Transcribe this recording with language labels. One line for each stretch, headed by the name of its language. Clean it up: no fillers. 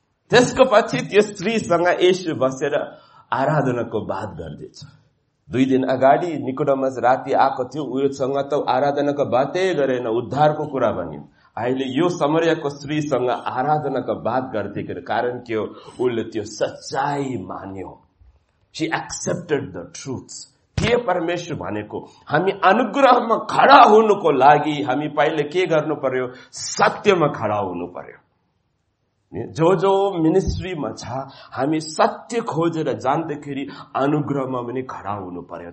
Nepali: त्यसको पछि त्यो स्त्रीसँग येशु बसेर आराधनाको बात गर्दैछ. 2 दिन अगाडि निकोडमस राति आएको थियो, उयोसँग त आराधनाको बातै गरेन, उद्धारको कुरा भन्यो. अहिले यो समरियाको स्त्रीसँग आराधनाको बात गर्दै गरे. कारण के हो, उसले त्यो सच्चाई मान्यो.
English: She accepted the truth.
Nepali: के परमेश्वर भनेको, हामी अनुग्रहमा खडा हुनुको लागि हामी पहिले के गर्नु पर्यो, सत्यमा खडा हुनु पर्यो. जो जो मिनिस्ट्रीमा छ, हामी सत्य खोजेर जान्दाखेरि अनुग्रहमा पनि खडा हुनु पर्यो.